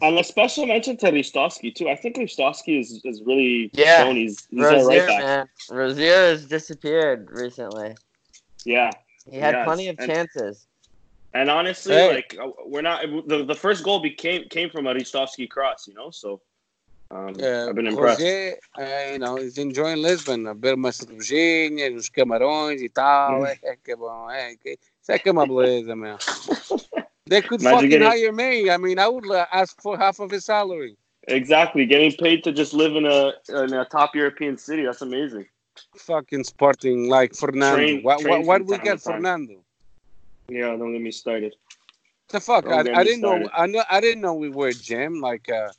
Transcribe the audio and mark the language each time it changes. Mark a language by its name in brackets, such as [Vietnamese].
[English] And a special mention to Ristovski too. I think Ristovski is really shown. He's Rozier, right back. Rozier has disappeared recently. Yeah. He had plenty of chances. And honestly, hey. Like we're not the first goal came from a Ristovski cross, you know. So I've been impressed. Rozier, you know, he's enjoying Lisbon. A bit of my [Portuguese] cervejinha, os camarões e tal. Que bom, que isso é que uma beleza, meu. [English] They could hire me. I mean, I would ask for half of his salary. Exactly. Getting paid to just live in a top European city. That's amazing. Fucking Sporting, like Fernando. What did we get, Fernando? Yeah, don't get me started. The fuck? I didn't know we were a gym. Like,